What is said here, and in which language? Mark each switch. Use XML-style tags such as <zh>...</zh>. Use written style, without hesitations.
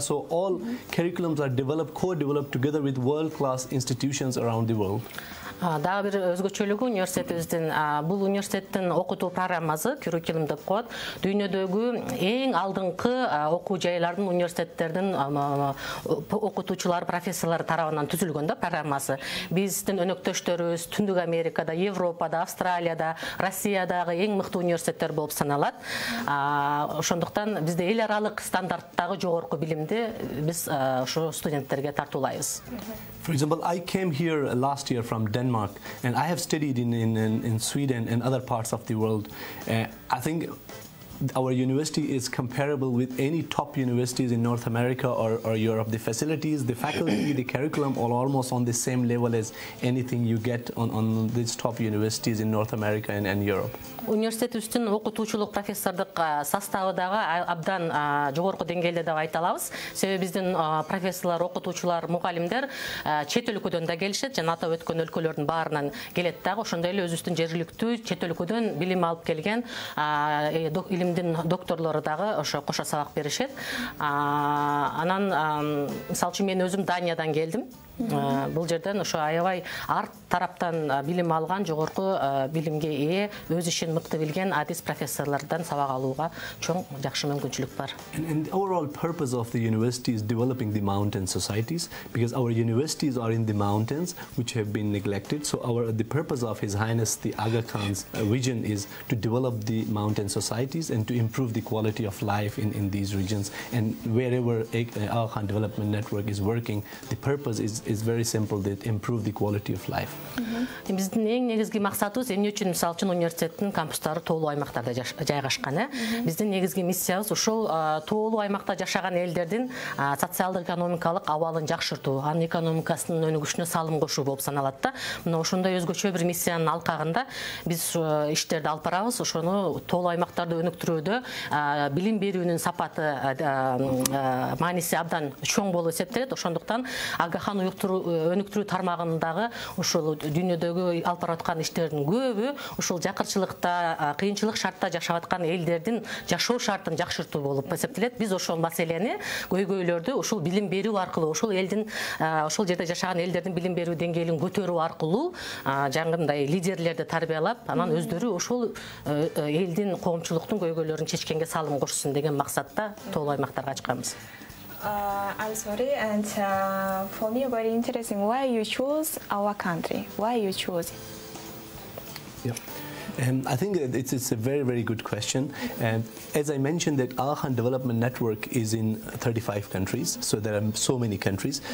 <en>So all curriculums are developed, co-developed together with world-class institutions around the world.</en> <ky>Да, бир өзгөчөлүгү университетибиздин, бул университеттин окутуу программасы, curriculum деп коет, дүйнөдөгү эң алдыңкы окуу жайлардын университеттердин окутуучулар, профессорлор тарабынан түзүлгөн да программасы. Биздин өнөктөштөрүбүз Түндүк Америкада, Европада, Австралияда, Россиядагы эң мыкты университеттер болуп саналат. Ошондуктан бизде эл аралык стандарттагы жогорку билимди биз ошо студенттерге тартуулайбыз.</ky> <en>For example, I came here last year from Denmark, and I have studied in Sweden and other parts of the world. I think our university is comparable with any top universities in North America or Europe. The facilities, the faculty, the curriculum are almost on the same level as anything you get on these top universities in North America and Europe.</en> <ky>Университет үстүн окутуучулук профессордук составыдагы абдан жогорку деңгээлде деп айта алабыз. Себеби биздин профессорлор, окутуучулар, мугалимдер чет өлкөдөн да келишет жана атап өткөн өлкөлөрдүн баарынан келет дагы. Ошондой эле өзүбүздүн жергиликтүү чет өлкөдөн билим алып келген илимдин докторлору дагы ошо кошо сабак беришет. Анан мисалы үчүн мен өзүм Даниядан келдим. Бул жерден ошо аябай ар тараптан билим алган, жогорку билимге ээ, өз ишин мыкты билген адис профессорлордон сабак алууга чоң жакшы мүмкүнчүлүк бар.</ky> <en>And the overall purpose of the university is developing the mountain societies, because our universities are in the mountains which have been neglected. So the purpose of His Highness the Aga Khan's vision is to develop the mountain societies and to improve the quality of life in these regions. And wherever Aga Khan Development Network is working, the purpose is very simple, that improve the quality of life.</en> <ky>Биздин эң негизги максатыбыз эмне үчүн мисалы үчүн университеттин кампустары тоолуу аймактарда жайгашканы? Биздин негизги миссиябыз ушул тоолуу аймакта жашаган элдердин социалдык экономикалык абалын жакшыртуу, анын экономикасынын өнүгүшүнө салым кошуу болуп саналат да. Мына ошондой өзгөчө бир миссиянын алкагында биз иштерди алып барабыз. Ошону тоолуу аймактарды өнүктүрүүдө билим берүүнүн сапаты мааниси абдан чоң болуп эсептелет. Ошондуктан Ага Хан өнүктүрүү тармагындагы ушул дүйнөдөгү алып барып аткан иштердин көбү ушул жакырчылыкта, кыйынчылык шартта жашап аткан элдердин жашоо шартын жакшыртуу болуп эсептелет. Биз ошол маселени, көйгөйлөрдү ушул билим берүү аркылуу, ушул элдин, ошол жерде жашаган элдердин билим берүү деңгээлин көтөрүү аркылуу жаңгындай лидерлерди тарбиялап, анан өздөрү ушул элдин, коомчулуктун көйгөйлөрүн чечкенге салым кошсун деген максатта тоолуу аймактарга ачканбыз.</ky> <en>I'm sorry, and for me very interesting, why you choose our country? Why you choose it? Yeah. I think it's a very, very good question. And as I mentioned, that Aga Khan Development Network is in 35 countries, so there are so many countries.</en>